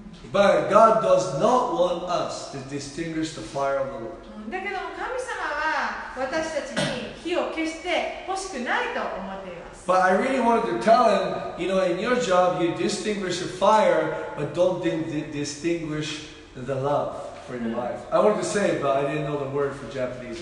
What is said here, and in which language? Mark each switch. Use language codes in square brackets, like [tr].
[en] But God does not want us to distinguish the fire of the Lord. [ja] だけども神様は私たちに火を消して欲しくないと思っています。 [en] But I really wanted to tell him, you know, in your job you distinguish the fire, but don't distinguish the love for your life. I wanted to say it, but I didn't know the word for Japanese.